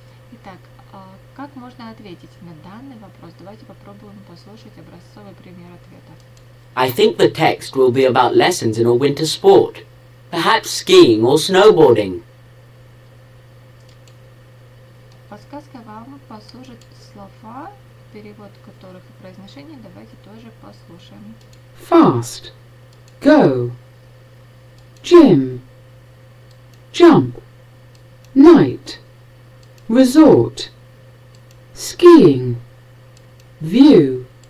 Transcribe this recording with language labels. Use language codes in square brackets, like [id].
[ru] Итак, как можно ответить на данный вопрос? Давайте попробуем послушать образцовый пример ответа. [en] I think the text will be about lessons in a winter sport, perhaps skiing or snowboarding. [ru] Послушать слова, перевод которых и произношение, давайте тоже послушаем. [en] Fast. Go. Gym. Jump. Night. Resort. Skiing. View.